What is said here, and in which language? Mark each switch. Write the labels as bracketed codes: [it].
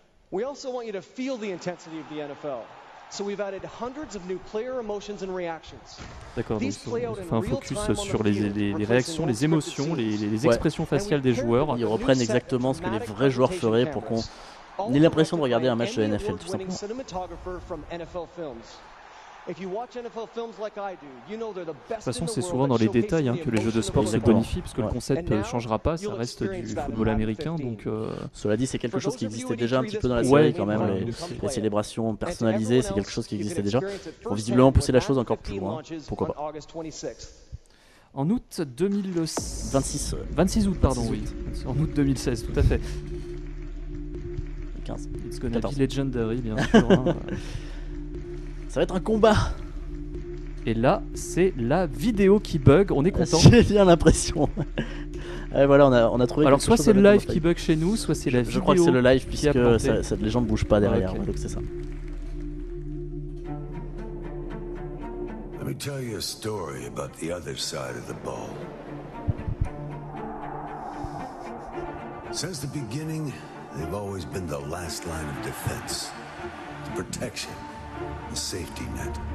[en] We also want you to feel the intensity of the NFL. So we've added hundreds of new player emotions and reactions. [fr] D'accord, donc on fait un focus sur les réactions, les émotions, les expressions faciales des joueurs. Ils reprennent exactement ce que les vrais joueurs feraient pour qu'on ait l'impression de regarder un match de NFL, tout simplement. De toute façon, c'est souvent dans les détails que les jeux de sport se bonifient, parce que le concept ne changera pas, ça reste du football américain. Donc, cela dit, c'est quelque chose qui existait déjà un petit peu dans la série, quand même. Les célébrations personnalisées, c'est quelque chose qui existait déjà. Ils ont visiblement poussé la chose encore plus loin. Pourquoi pas. En août 26 août. En août 2016, tout à fait. [en] It's gonna be legendary, [fr] bien sûr. Ça va être un combat. Et là, c'est la vidéo qui bug. On est content. J'ai bien l'impression. Et voilà, on a trouvé. Alors, soit c'est le live qui bug chez nous, soit c'est la vidéo. Je crois que c'est le live puisque cette légende bouge pas derrière. Okay. Donc c'est ça. [en] Let me tell you a story about the other side of the ball. Since the beginning, they've always been the last line of defense, the protection. The safety net.